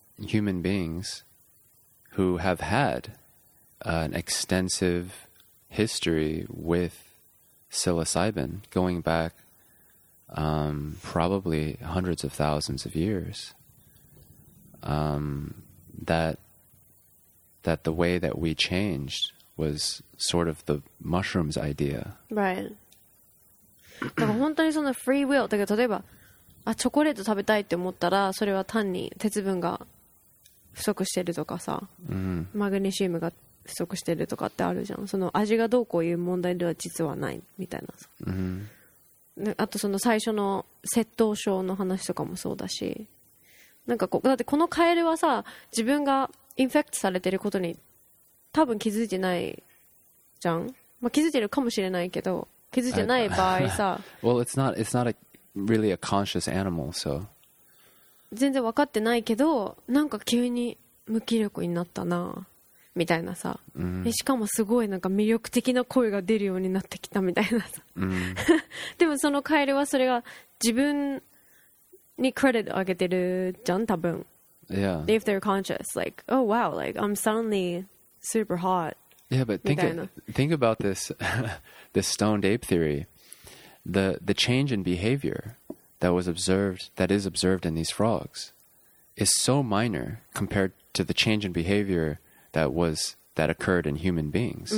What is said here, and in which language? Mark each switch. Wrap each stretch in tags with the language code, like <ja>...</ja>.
<en>Human beings who have had an extensive history with psilocybin going back probably hundreds of thousands of years, that the way that we changed was sort of the mushroom's idea. Right.</en> <ja>だから本当にそのフリーウィル、だから例えば、あ、チョコレート食べたいって思ったら、それは単に鉄分が不足してるとかさ、 mm-hmm. マグネシウムが不足してるとかってあるじゃん。その味がどうこういう問題では実はないみたいなさ、 mm-hmm. あとその最初の窃盗症の話とかもそうだし、なんかこうだってこのカエルはさ、自分がインフェクトされてることに多分気づいてないじゃん。まあ、気づいてるかもしれないけど、気づいてない場合さ、</ja> <en>Well, it's not a, really a conscious animal, so.</en> <ja>全然分かってないけど、なんか急に無気力になったなみたいなさ、 mm-hmm. しかもすごいなんか魅力的な声が出るようになってきたみたいなさ、 mm-hmm. でもそのカエルはそれが自分にクレディットあげてるじゃん多分。</ja> <en>Yeah. If they're conscious, like, oh wow, like I'm suddenly super hot. Yeah, but think about this stoned ape theory. The change in behaviorthat is observed in these frogs is so minor compared to the change in behavior that occurred in human beings.</en>